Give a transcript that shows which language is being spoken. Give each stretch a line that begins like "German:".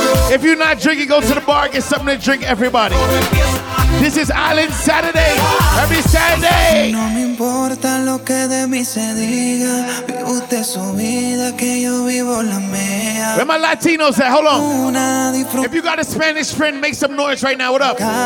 English: If you're not drinking, go to the bar, get something to drink, everybody. This is Island Saturday, every Saturday.
Spanish: No me importa lo que de mí se diga. Vive usted su vida, que yo vivo la mía.
English: Where my Latinos at? Hold on. If you got a Spanish friend, make some noise right now. What up?